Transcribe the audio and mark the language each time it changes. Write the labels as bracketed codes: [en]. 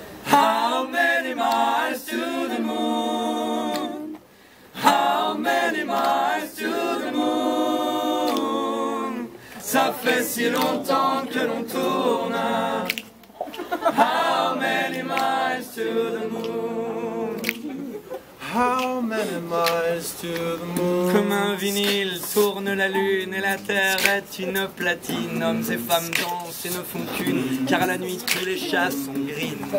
[en] How many miles to the moon? How many miles to the moon? [fr] Ça fait si longtemps que l'on tourne. How many miles to the moon? How many miles to the moon? Comme un vinyle tourne la lune et la terre est une platine. Hommes et femmes dansent et ne font qu'une, car la nuit tous les chats sont [en] green.